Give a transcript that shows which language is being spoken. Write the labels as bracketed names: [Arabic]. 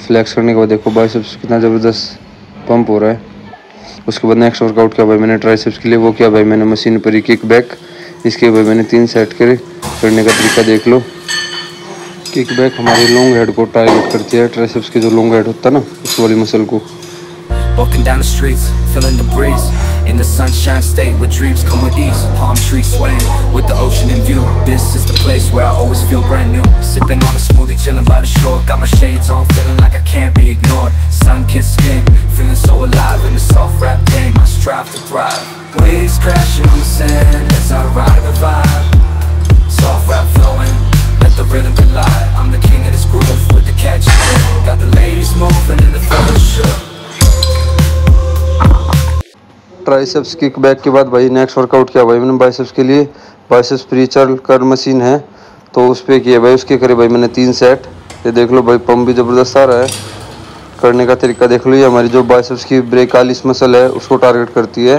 [Hindi] Flex करने के बाद देखो बाइसेप्स कितना ज़बरदस्त पंप हो रहा है। उसके बाद नेक्स्ट वर्कआउट किया भाई मैंने ट्राइसेप्स के लिए। वो किया भाई मैंने मशीन पर ही किक बैक। इसके भाई मैंने तीन सेट करे। करने का तरीका देख लो, किक बैक हमारी लॉन्ग हेड को टारगेट करती है, ट्राइसेप्स के जो लॉन्ग हेड होता है ना उस वाली मसल को। [English] Walking down the streets, feeling the breeze in the sunshine state where dreams come with ease. Palm trees swaying with the ocean in view. This is the place where I always feel brand new. Sipping on a smoothie, chilling by the shore. Got my shades on, feeling like I can't be ignored. Sun-kissed skin, feeling so alive in the soft rap game. I strive to thrive. Waves crashing on the sand as I ride the vibe. Soft rap flowing, let the rhythm collide. I'm the king of this groove with the catchy hook. Got the ladies moving in the fellowship. [Hindi] Triceps kick back के बाद भाई next workout किया भाई मैंने biceps के लिए, biceps प्रीचर्ल कर machine है तो उस पर किया भाई, उसके करे भाई मैंने 3 सेट। ये देख लो भाई पंप भी ज़बरदस्त आ रहा है, करने का तरीका देख लो, ये हमारी जो बाइसेप्स की ब्रेकालिस मसल है उसको टारगेट करती है।